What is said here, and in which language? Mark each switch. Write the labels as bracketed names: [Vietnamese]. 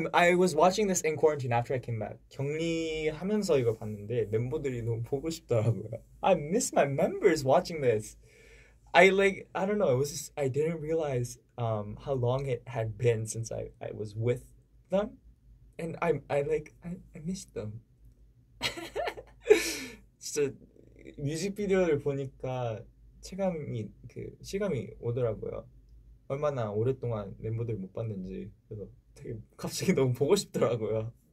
[English] I was watching this in quarantine after I came back. [Korean] 격리하면서 이걸 봤는데 멤버들이 너무 보고 싶더라고요. [English] I miss my members watching this. I don't know. It was just, I didn't realize how long it had been since I was with them, and I missed them. [Korean] 진짜 뮤직비디오를 보니까 체감이 그 시감이 오더라고요. 얼마나 오랫동안 멤버들 못 봤는지 그래서 되게 갑자기 너무 보고 싶더라고요.